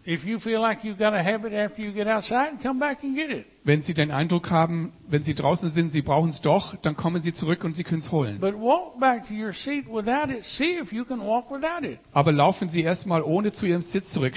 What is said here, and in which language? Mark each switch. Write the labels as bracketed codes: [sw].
[en] If you feel like you've got a habit after you get outside, come back and get it. [de] Wenn sie den Eindruck haben, wenn sie draußen sind, sie brauchen es doch, dann kommen sie zurück und sie können es holen. [en] But walk back to your seat without it. See if you can walk without it. [de] Aber laufen Sie erstmal ohne zu Ihrem Sitz zurück.